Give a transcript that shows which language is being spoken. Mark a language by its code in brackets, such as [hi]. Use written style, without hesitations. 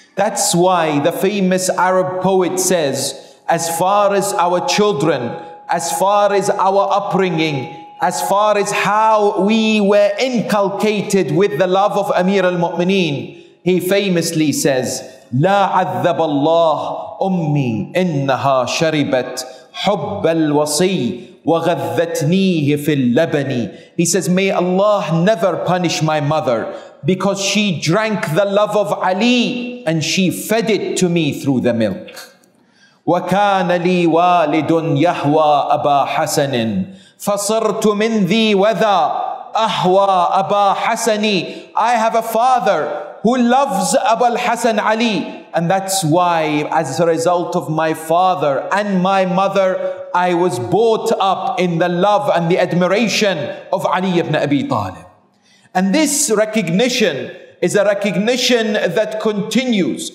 [en] That's why the famous Arab poet says, as far as our children, as far as our upbringing, as far as how we were inculcated with the love of Amir al-Mu'mineen, he famously says, [ar] لا عذب الله أمي إنها شربت حب الوصي وغذتنيه في اللبن. [en] He says, may Allah never punish my mother because she drank the love of Ali and she fed it to me through the milk. [ar] وكان لي والد يهوى أبا حسن فصرت من ذي وذا أهوى أبا حسن. [en] I have a father who loves Abu al-Hasan Ali. And that's why, as a result of my father and my mother, I was brought up in the love and the admiration of Ali ibn Abi Talib. And this recognition is a recognition that continues.